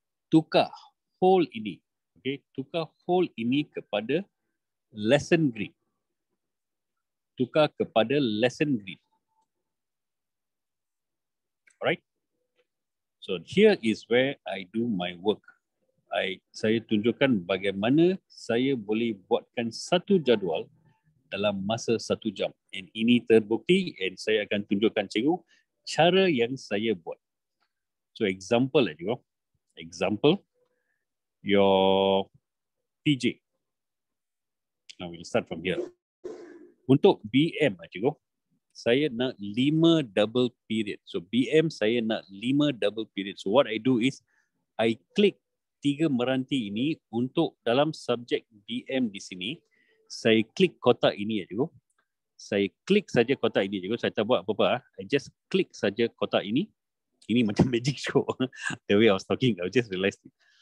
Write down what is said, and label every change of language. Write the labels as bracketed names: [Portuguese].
[Malay] Tukar whole ini. Okay. Tukar whole ini kepada lesson grid. Tukar kepada lesson grid. [English] Alright. So here is where I do my work. [Malay] Saya tunjukkan bagaimana saya boleh buatkan satu jadual dalam masa satu jam. And ini terbukti, and saya akan tunjukkan cikgu cara yang saya buat. So example lah cikgu. [English] Example, your PJ. Now we'll start from here. [Malay] Untuk BM lah cikgu, saya nak lima double period. So BM saya nak lima double period. [English] So what I do is I click [Malay] tiga meranti ini untuk dalam subjek BM di sini. Saya klik kotak ini ya cikgu. saya klik saja kotak ini. Cikgu, saya tak buat apa-apa. [English] I just [Malay] klik saja kotak ini. Ini macam magic show. [English] The way I was talking, I just realized it.